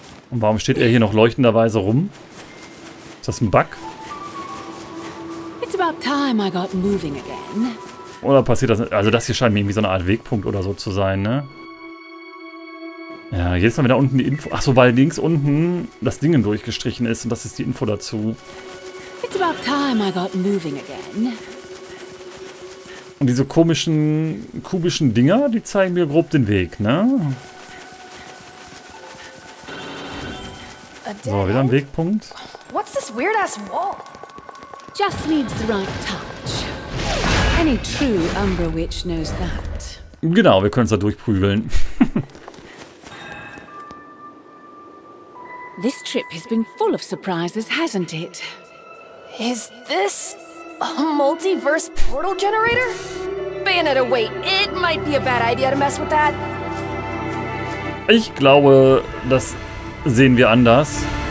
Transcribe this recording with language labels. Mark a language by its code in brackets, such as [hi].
[de] Und warum steht er hier noch leuchtenderweise rum? Ist das ein Bug? Oder passiert das? Also das hier scheint mir irgendwie so eine Art Wegpunkt oder so zu sein, ne? Ja, jetzt haben wir da unten die Info. Achso, weil links unten das Ding durchgestrichen ist und das ist die Info dazu. [en] It's about time I got moving again. [de] Und diese komischen, kubischen Dinger, die zeigen mir grob den Weg, ne? So, wieder ein Wegpunkt. [en] What's this weird ass wall? Just needs the right touch. Any true Umber Witch knows that. [de] Genau, wir können es da durchprügeln. [en] This trip has been full of surprises, hasn't it? Is this a multiverse portal generator? Bayonetta, wait, it might be a bad idea to mess with that. [de] Ich glaube, das sehen wir anders.